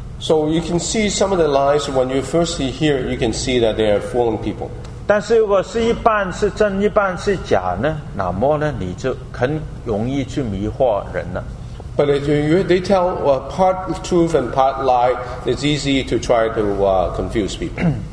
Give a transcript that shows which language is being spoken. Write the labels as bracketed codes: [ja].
[en] So you can see some of the lies when you first hear, you can see that they are fooling people. [zh] 但是如果是一半是真，一半是假呢，那么呢，你就很容易去迷惑人了。 [en] But if they tell part truth and part lie, it's easy to try to confuse people.